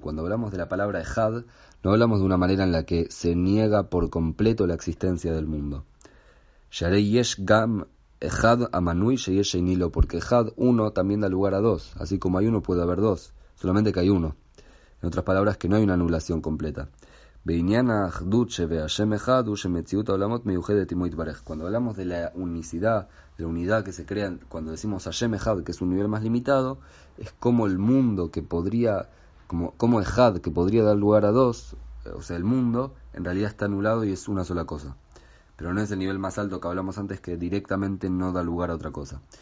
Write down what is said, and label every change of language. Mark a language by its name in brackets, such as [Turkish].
[Spanish] Cuando hablamos de la palabra Ejad, no hablamos de una manera en la que se niega por completo la existencia del mundo. [Hebrew] Sharei yesh gam ejad amanui sheyesh einilo, [Spanish] porque ejad, uno, también da lugar a dos, así como hay uno puede haber dos, solamente que hay uno. En otras palabras, que no hay una anulación completa. [Hebrew] בעניין האחדות שבהשם אחד הוא שמציאות העולמות מיוחדת עמו יתברך. [Spanish] Cuando hablamos de la unicidad, de la unidad que se crea cuando decimos Hashem Echad, que es un nivel más limitado, es como el mundo que podría, como Echad, que podría dar lugar a dos, o sea, el mundo, en realidad está anulado y es una sola cosa. Pero no es el nivel más alto que hablamos antes, que directamente no da lugar a otra cosa.